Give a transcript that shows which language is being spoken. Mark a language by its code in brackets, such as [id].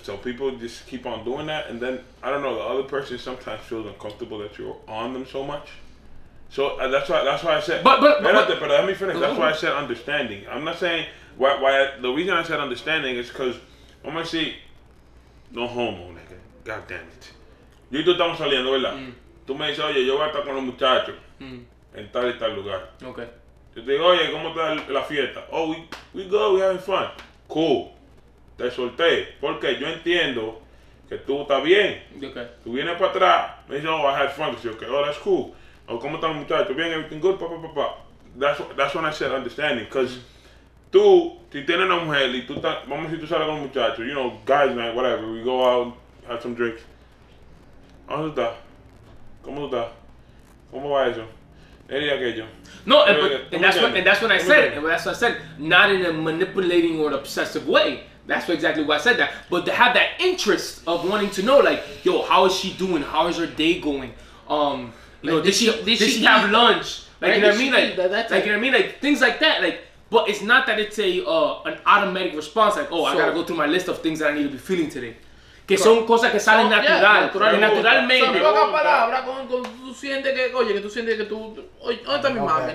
[en] So people just keep on doing that, and then I don't know. The other person sometimes feels uncomfortable that you're on them so much. So that's why I said. But let me finish. That's why I said understanding. I'm not saying why. The reason I said understanding is because I'm gonna see. No homo, nigga. God damn it. [es] Yo y tú estamos saliendo, ¿verdad? Mm. Tú me dices, oye, yo voy a estar con los muchachos en tal y tal lugar. [en] Ok. [es] Yo te digo, oye, ¿cómo está la fiesta? [en] Oh, we good, we having fun. Cool. [es] Te solté. Porque yo entiendo que tú estás bien. [en] Ok. [es] Tú vienes para atrás, me dices, [en] oh, I had fun. [es] Yo digo, [en] okay, oh, that's cool. Oh, [es] ¿cómo están los muchachos? Bien, [en] everything good, [es] pa, pa, pa, pa. [en] That's when I said understanding, because [es] tú, si tienes una mujer y tú estás, vamos a decir, tú sales con un muchacho, [en] you know, guys night, whatever, we go out, have some drinks. [es] ¿Cómo tú estás? ¿Cómo tú estás? ¿Cómo va eso? ¿Eres aquello? [en] No, that's what I said, not in a manipulating or obsessive way. That's exactly why I said that. But to have that interest of wanting to know, like, yo, how is she doing? How is her day going? Did she have lunch? Like, right, you know what I mean? Things like that, like. But it's not that it's an automatic response, like, oh, so, I gotta go through my list of things that I need to be feeling today. [es] Que son cosas que salen naturalmente. Son pocas palabras con tú sientes que, oye, que tú sientes que tú, oye, ¿dónde está mi mami?